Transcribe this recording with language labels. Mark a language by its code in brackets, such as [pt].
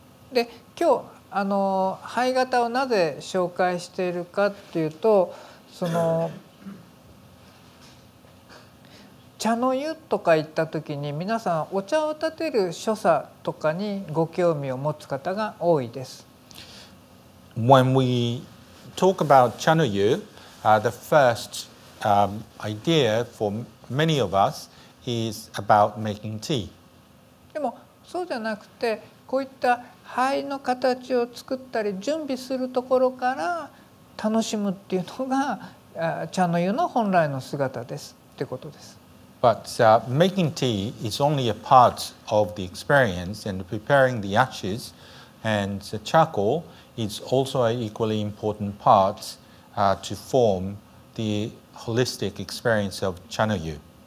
[ja] で、今日肺型をなぜ紹介しているかっていうと、その茶の湯とか行った時に皆さんお茶を立てる所作とかにご興味を持つ方が多いです。 [en] When we talk about 茶の湯, the first idea for many of us is about making tea. [ja] でもそうじゃなくて、こういった灰の形を作ったり準備するところから楽しむっていうのが茶の湯の本来の姿ですってことです。 [en] But making tea is only a part of the experience, and preparing the ashes and the charcoal is also an equally important part to form the holistic experience of 茶の湯。